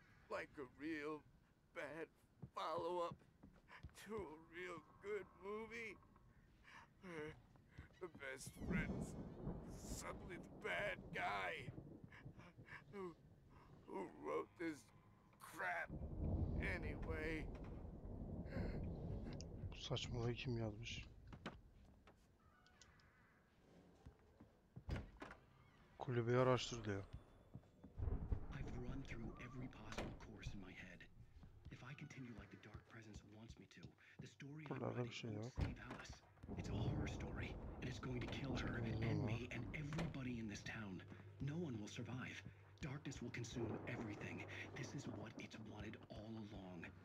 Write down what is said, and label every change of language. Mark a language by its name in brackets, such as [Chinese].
[English] Like a real bad follow-up to a real good movie. The best friends. Suddenly the bad guy who wrote this crap anyway. [Turkish] Bu saçmalığı kim yazmış? Kulübeyi araştır diyor. [English] I've run through every possible course in my head. continue like the dark presence wants me to. The story of the Alice. It's a horror story, and it's going to kill her and me and everybody in this town. No one will survive. Darkness will consume everything. This is what it's wanted all along.